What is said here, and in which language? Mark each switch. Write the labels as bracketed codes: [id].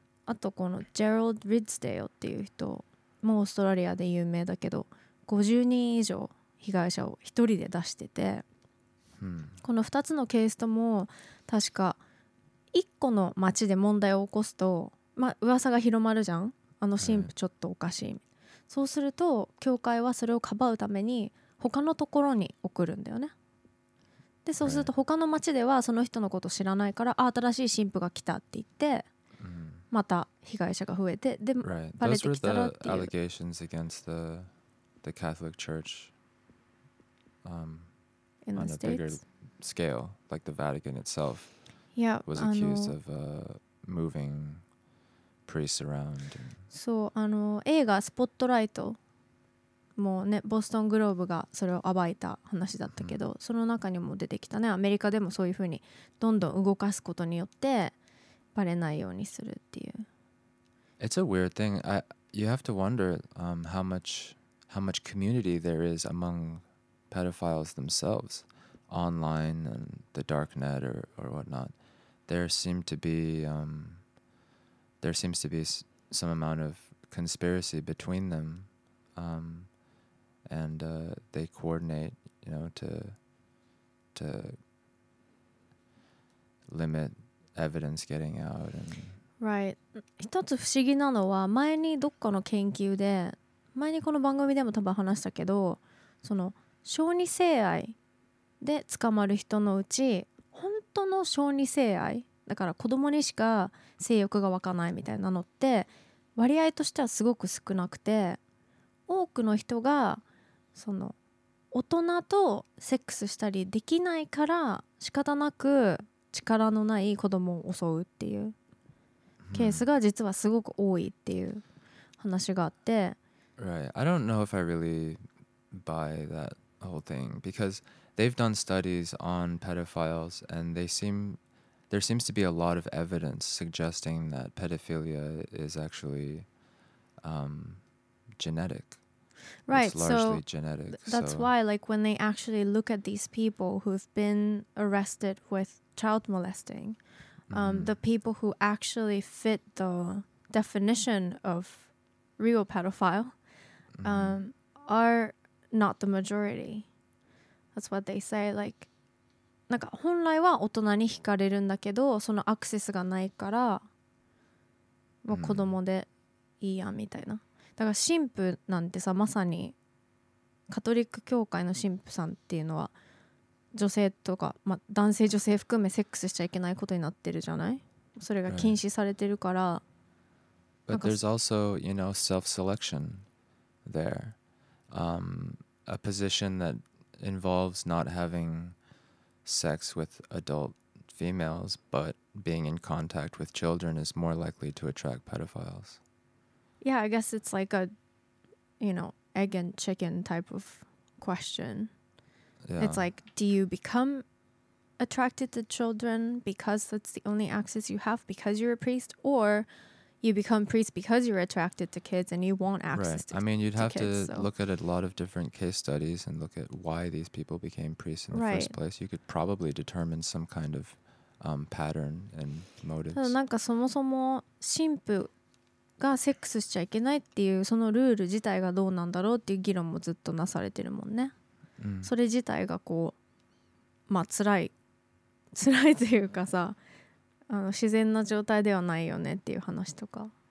[ja] あとこのジェラルド・リッツデイオっていう人もオーストラリアで有名だけど、50人以上被害者を一人で出してて、この2つのケースとも確か1個の町で問題を起こすと、まあ噂が広まるじゃん、あの神父ちょっとおかしい、そうすると教会はそれをかばうために他のところに送るんだよね。でそうすると他の町ではその人のこと知らないから、あ新しい神父が来たって言って、また被害者が増えて、でバレてきたらっていう。 [en] Those were the allegations against the Catholic Church, in the States. On a bigger scale, like the Vatican itself, yeah, was accused of moving priests around. [ja] そう、あの映画スポットライトもね、ボストングローブがそれを暴いた話だったけど、その中にも出てきたね、アメリカでもそういうふうにどんどん動かすことによって。バレないようにするっていう。 [en] It's a weird thing. You have to wonder how much community there is among pedophiles themselves, online and the dark net or whatnot. There seems to be some amount of conspiracy between them, they coordinate, you know, to limit. Evidence getting out and... Right. [ja] 一つ不思議なのは、前にどっかの研究で、前にこの番組でも多分話したけど、その小児性愛で捕まる人のうち、本当の小児性愛だから子供にしか性欲が湧かないみたいなのって割合としてはすごく少なくて、多くの人がその大人とセックスしたりできないから仕方なく力のない子供を襲うっていうケースが実はすごく多いっていう話があって、 [en] Right. I don't know if I really buy that whole thing because they've done studies on pedophiles and there seems to be a lot of evidence suggesting that pedophilia is actually genetic. Right. It's largely genetic. That's why, like, when they actually look at these people who've been arrested withchild molesting, the people who actually fit the definition of real pedophile are not the majority. That's what they say. Like, [ja] なんか本来は大人に惹かれるんだけど、そのアクセスがないから、もう子供でいいやみたいな。だから神父なんてさ、まさにカトリック教会の神父さんっていうのは、女性とか、まあ、男性女性含めセックスしちゃいけないことになってるじゃない？それが禁止されてるから。 [en] But there's also, you know, self-selection there. A position that involves not having sex with adult females, but being in contact with children is more likely to attract pedophiles. Yeah, I guess it's like a, you know, egg and chicken type of question. Yeah. It's like, do you become attracted to children because that's the only access you have because you're a priest, or you become priest because you're attracted to kids and you want access to kids. I mean, you'd have to look at a lot of different case studies and look at why these people became priests in the right. first place. You could probably determine some kind of pattern and motives. [ja] ただなんかそもそも神父がセックスしちゃいけないっていうそのルール自体がどうなんだろうっていう議論もずっとなされてるもんね。それ自体がこうまあ辛いというかさ、あの自然な状態ではないよねっていう話とか。